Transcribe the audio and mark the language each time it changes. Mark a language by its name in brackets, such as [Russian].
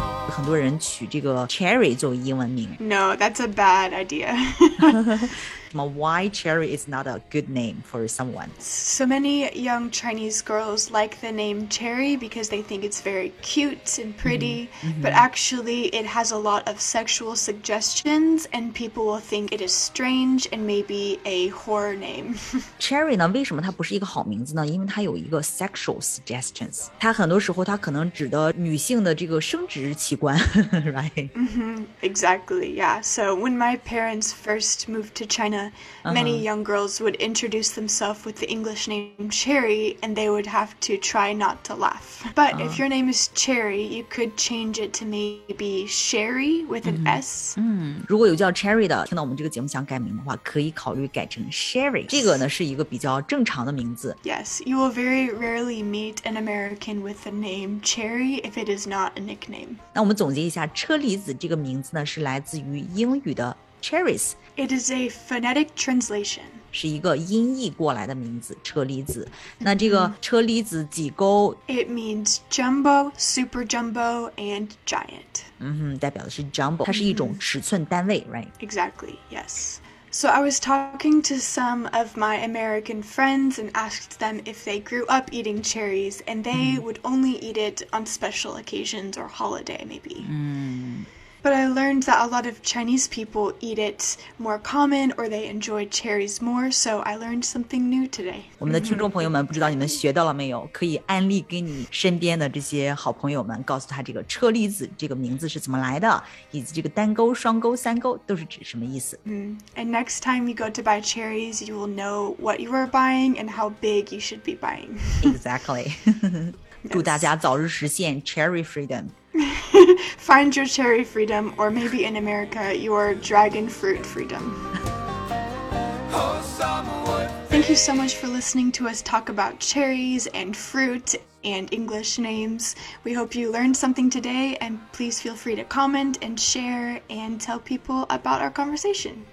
[Chinese] 很多人取这个 cherry 作为英文名。 [English] No, that's a bad idea. Why cherry is not a good name for someone? So many young Chinese girls like the name cherry because they think it's very cute and pretty, mm-hmm. but actually it has a lot of sexual suggestions and people will think it is strange and maybe a horror name. [Chinese] Cherry 呢，为什么它不是一个好名字呢？因为它有一个 sexual suggestions. 它很多时候它可能指的女性的这个生殖器官, right? [English] Mm-hmm. Exactly, yeah. So when my parents first moved to China,many uh-huh. young girls would introduce themselves with the English name Cherry and they would have to try not to laugh. But、uh-huh. if your name is Cherry, you could change it to maybe Sherry with an、 mm-hmm. S. [Chinese] 如果有叫 Cherry 的听到我们这个节目想改名的话可以考虑改成 Sherry. 这个呢是一个比较正常的名字。 [English] Yes, you will very rarely meet an American with the name Cherry if it is not a nickname. [Chinese] 那我们总结一下车厘子这个名字呢是来自于英语的Cherries. [English] It is a phonetic translation. [Chinese] 是一个音译过来的名字，车厘子。那这个车厘子几勾 [English] ？It means jumbo, super jumbo, and giant. [Chinese] 嗯哼，代表的是 jumbo， 它是一种尺寸单位 ，right? [English] Exactly. Yes. So I was talking to some of my American friends and asked them if they grew up eating cherries, and they、mm. would only eat it on special occasions or holiday, maybe. But I learned that a lot of Chinese people eat it more common or they enjoy cherries more, so I learned something new today. [Chinese] 我们的听众朋友们不知道你们学到了没有可以安利给你身边的这些好朋友们告诉他这个车厘子这个名字是怎么来的以及这个单勾双勾三勾都是指什么意思、 mm-hmm. [English] And next time you go to buy cherries, you will know what you are buying and how big you should be buying. Exactly. [Chinese] 祝大家早日实现 cherry freedom. [English] Find your cherry freedom, or maybe in America, your dragon fruit freedom. Thank you so much for listening to us talk about cherries and fruit and English names. We hope you learned something today, and please feel free to comment and share and tell people about our conversation.